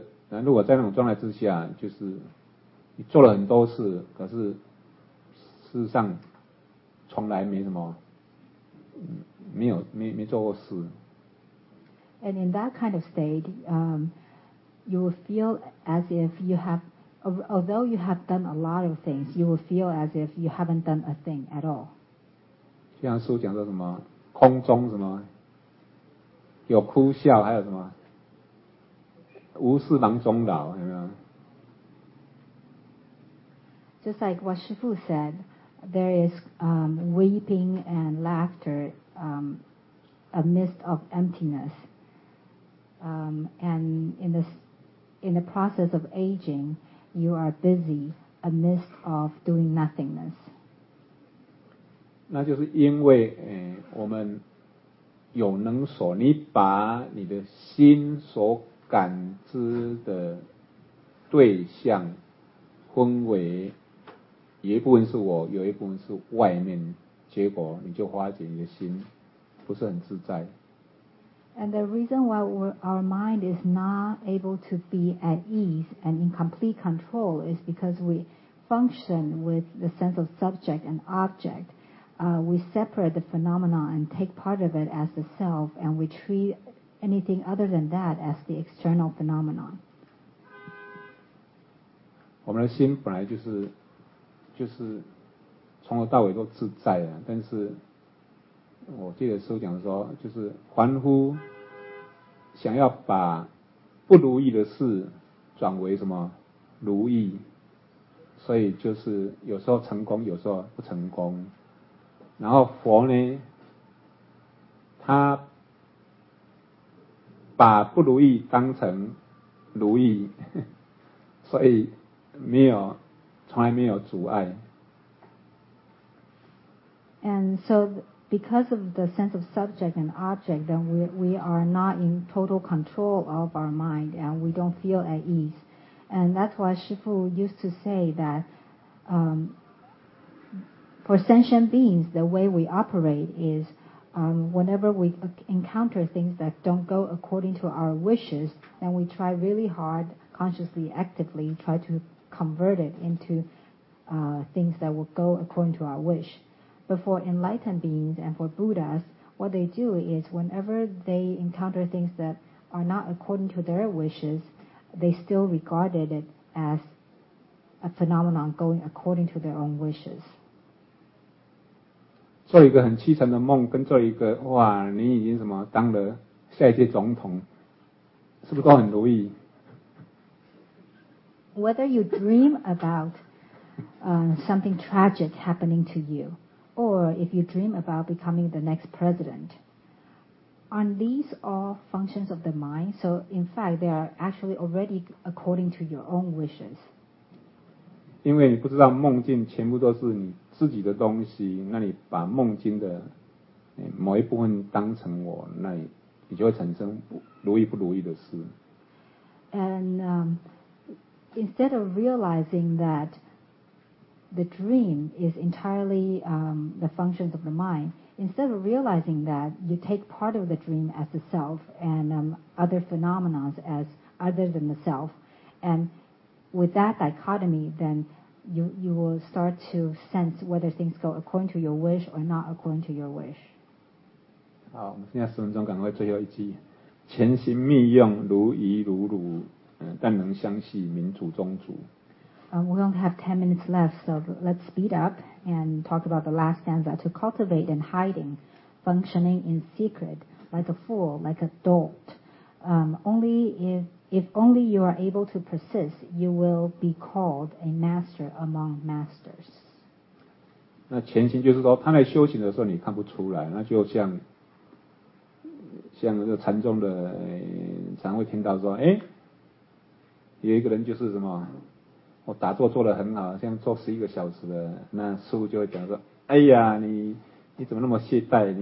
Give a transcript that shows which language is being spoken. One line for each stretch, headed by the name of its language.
Chinese: 那如果在那种状态之下，就是你做了很多事，可是事实上从来没什么，没做过事。
English: And in that kind of state, you will feel as if you have, although you have done a lot of things, you will feel as if you haven't done a thing at all.
Chinese: 就像书讲说什么，空中什么，有哭笑，还有什么，无事忙终老，有没有？
English: Just like what Shifu said, there is weeping and laughter amidst of emptiness. And in the process of aging, you are busy amidst of doing nothingness.
Chinese: 那就是因为我们有能所，你把你的心所感知的对象分为有一部分是我，有一部分是外面，结果你就发觉你的心不是很自在。
English: And the reason why our mind is not able to be at ease and in complete control is because we function with the sense of subject and object. We separate the phenomenon and take part of it as the self, and we treat anything other than that as the external phenomenon.
Chinese: 我们的心本来就是从头到尾都自在的，但是我记得师父讲说，就是凡夫想要把不如意的事转为什么如意，所以就是有时候成功，有时候不成功。然后佛呢，他把不如意当成如意，所以没有，从来没有阻碍。
English: And so. Because of the sense of subject and object, then we are not in total control of our mind and we don't feel at ease. And that's why Shifu used to say that for sentient beings, the way we operate is whenever we encounter things that don't go according to our wishes, then we try really hard, consciously, actively, try to convert it into things that will go according to our wish. But for enlightened beings and for Buddhas, what they do is whenever they encounter things that are not according to their wishes, they still regarded it as a phenomenon going according to their own wishes.
Chinese: 做一个很凄惨的梦，跟做一个哇，你已经什么当了下一届总统，是不是都很如意？
English: Whether you dream about something tragic happening to you. Or if you dream about becoming the next president. Aren't these all functions of the mind? So in fact, they are actually already according to your own wishes.
Chinese: 因为你不知道梦境全部都是你自己的东西，那你把梦境的某一部分当成我，那你就会产生如意不如意的事。
English: And instead of realizing that,The dream is entirely the functions of the mind. Instead of realizing that, you take part of the dream as the self and other phenomena as other than the self. And with that dichotomy, then you will start to sense whether things go according to your wish or not according to your wish.
Chinese: 好，我们剩下十分钟，赶快最后一集。潜心密用如一如如但能相系民主宗主。
English: We only have 10 minutes left, so let's speed up and talk about the last stanza. To cultivate in hiding, functioning in secret, like a fool, like a dolt. Only if you are able to persist, you will be called a master among masters.
Chinese: 那潜心就是说，他在修行的时候你看不出来，那就像这禅宗的常会听到说，哎，有一个人就是什么，我打坐做得很好，像坐11个小时的，那师父就会讲说，哎呀，你怎么那么懈怠？